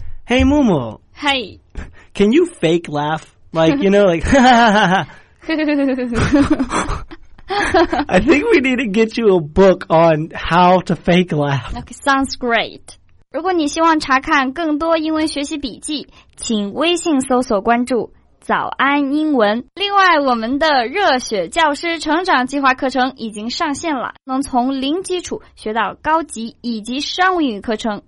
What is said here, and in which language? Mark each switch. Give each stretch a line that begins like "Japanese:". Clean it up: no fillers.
English: Hey, Mumu. Hey. Can you fake laugh? Like, you know, like, I think we need to get you a book on how to fake laugh. Okay, sounds great.
Chinese: 如果你希望查看更多英文学习笔记，请微信搜索关注早安英文。另外，我们的热血教师成长计划课程已经上线了，能从零基础学到高级以及商务英语课程。